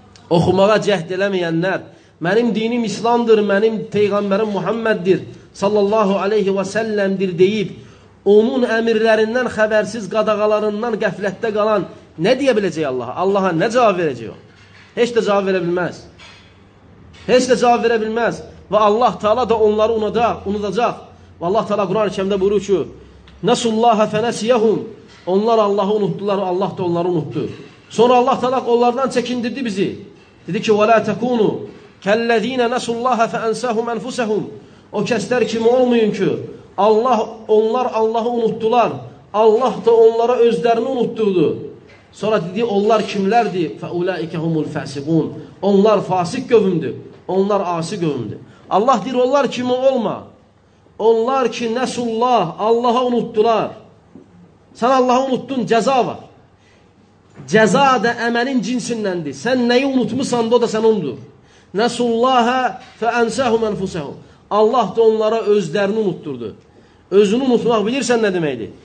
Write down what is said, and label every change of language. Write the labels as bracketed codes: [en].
[az] Oxumağa cəhd eləməyənlər, mənim dinim İslamdır, mənim Peyğəmbərim Muhammeddir, sallallahu aleyhi ve sellemdir deyib, onun əmirlərindən xəbərsiz qadağalarından qəflətdə qalan nə deyə biləcək Allah? Allaha nə cavab verəcək o? Heç də cavab verə bilməz. Heç də cavab verə bilməz. Və Allah Teala da onları unudacaq. Və Allah Teala Quran-ı Kərimdə buyurur ki, [ar] Nəsullaha fənəsiyəhum. [az] Onlar Allahı unutdular, Allah da onları unutdu. Sonra Allah Teala onlardan çəkindirdi bizi. Dedi ki, [ar] Vələ təkunu kəllədinə nəsullaha fəənsəhum ənfusəhum. [az] O kəslər kimi olmayın ki, Allah onlar Allahı unutdular, Allah da onlara özlərini unutdurdu. Sonra dedi, onlar kimlərdi? [ar] Fəuləikəhumul fəsiqun. [az] Onlar fasik qövümdür. Onlar asi qövümdür. Allah deyir, onlar kimi olma. Onlar ki, nəsullah, Allaha unutdular. Sən Allaha unutdun, cəza var. Cəza da əməlin cinsindəndir. Sən nəyi unutmuşsan da, o da sən onudur. [ar] Nəsullaha fəənsəhum ənfusəhum. [az] Allah da onlara özlərini unutdurdu. Özünü unutmaq bilirsən nə deməkdir?